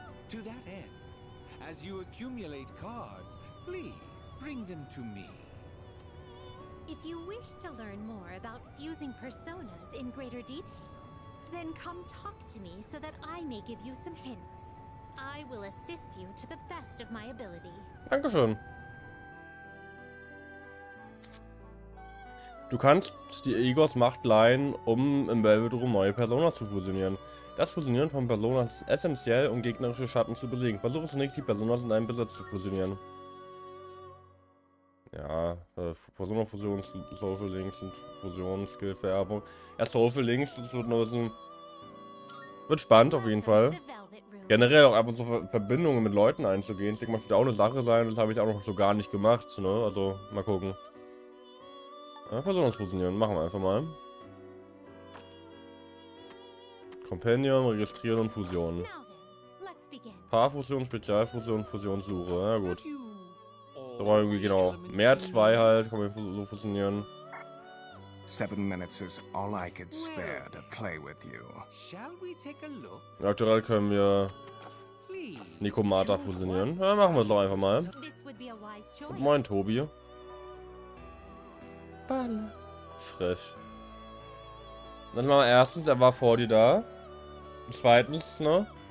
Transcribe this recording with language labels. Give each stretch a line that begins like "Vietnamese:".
English: To that end, as you accumulate cards, please bring them to me. If you wish to learn more about fusing personas in greater detail, then come talk to me so that I may give you some hints. I will assist you to the best of my ability.
German: Dankeschön. Du kannst dir Igors Macht leihen, um im Velvet Room neue Personas zu fusionieren. Das Fusionieren von Personas ist essentiell, um gegnerische Schatten zu besiegen. Versuche zunächst, die Personas in deinem Besitz zu fusionieren. Ja, Persona-Fusion, Social Links und Fusion, Skill-Vererbung. Ja, Social Links, das wird nur wissen. Wird spannend auf jeden Fall. Generell auch einfach so Verbindungen mit Leuten einzugehen. Ich denke mal, es wird auch eine Sache sein, das habe ich auch noch so gar nicht gemacht, ne? Also, mal gucken. Ja, Personas fusionieren, machen wir einfach mal. Companion, Registrieren und Fusion. Paarfusion, Spezialfusion, Fusionssuche. Na ja, gut. So, genau. Mehr zwei halt, kann man so fusionieren.
English: 7 minutes is all I could spare to play with you. Shall we take a look?
German: Aktuell können wir Nikomata fusionieren. Ja, machen wir es doch einfach mal. Und moin, Tobi. Balle. Frisch. Dann mal erstens, er war vor dir da. Zweitens, ne?